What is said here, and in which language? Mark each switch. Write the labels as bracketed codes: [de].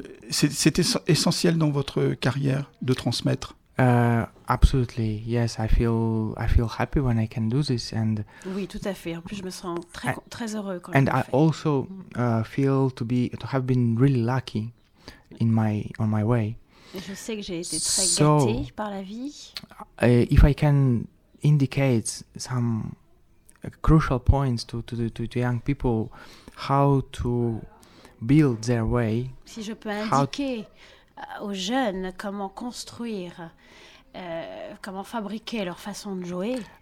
[fr] C'est essentiel dans votre carrière de transmettre. [en] Absolutely, yes. I feel happy when I can do this. And [fr] oui, tout à fait. En plus, je me sens très heureux quand. [en] And [fr] je [en] I [fr] fais. [en] Also feel to have been really lucky on my way. [fr] Et je sais que j'ai été très gâtée par la vie. [en] If I can indicate some crucial points to young people, how to build their way. [fr] Si je peux indiquer aux jeunes comment construire, comment fabriquer leur façon de jouer.